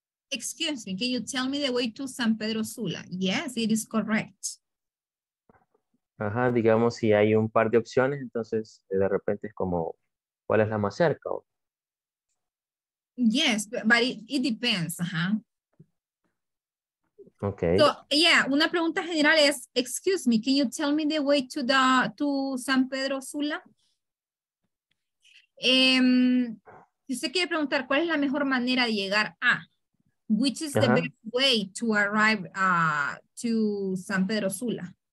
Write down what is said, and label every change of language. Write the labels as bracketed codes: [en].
[en] Excuse me, can you tell me the way to San Pedro Sula? Yes, it is correct. [es] Ajá, digamos si hay un par de opciones, entonces de repente es como, ¿cuál es la más cerca? [en] Yes, but it depends, ajá. Okay. So, yeah, [es] una pregunta general es, [en] excuse me, can you tell me the way to San Pedro Sula? [es] Si usted quiere preguntar, ¿cuál es la mejor manera de llegar a? [en] Which is the best way to arrive to San Pedro Sula?